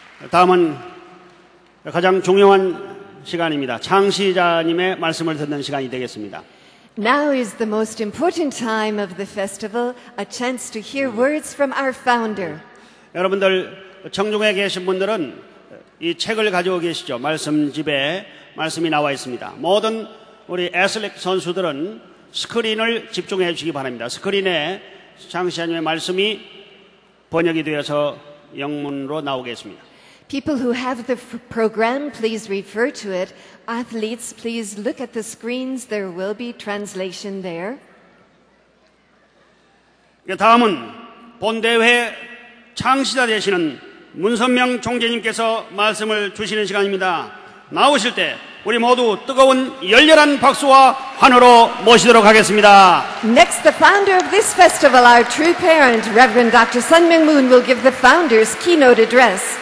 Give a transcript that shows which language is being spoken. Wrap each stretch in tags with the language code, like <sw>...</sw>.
<ko>다음은 가장 중요한 시간입니다. 창시자님의 말씀을 듣는 시간이 되겠습니다.</ko> <en>Now is the most important time of the festival, a chance to hear words from our founder.</en> <ko>여러분들 청중에 계신 분들은 이 책을 가지고 계시죠. 말씀집에 말씀이 나와 있습니다. 모든 우리 애슬릭 선수들은 스크린을 집중해 주시기 바랍니다. 스크린에 장시하님의 말씀이 번역이 되어서 영문으로 나오겠습니다.</ko> <en>People who have the program, please refer to it. Athletes, please look at the screens. There will be translation there.</en> <ko>다음은 본대회 창시자 되시는 문선명 총재님께서 말씀을 주시는 시간입니다. 나오실 때 우리 모두 뜨거운 열렬한 박수와 환호로 모시도록 하겠습니다.</ko> <en>Next, the founder of this festival, our true parent, Reverend Dr. Sun Myung-moon, will give the founder's keynote address.</en>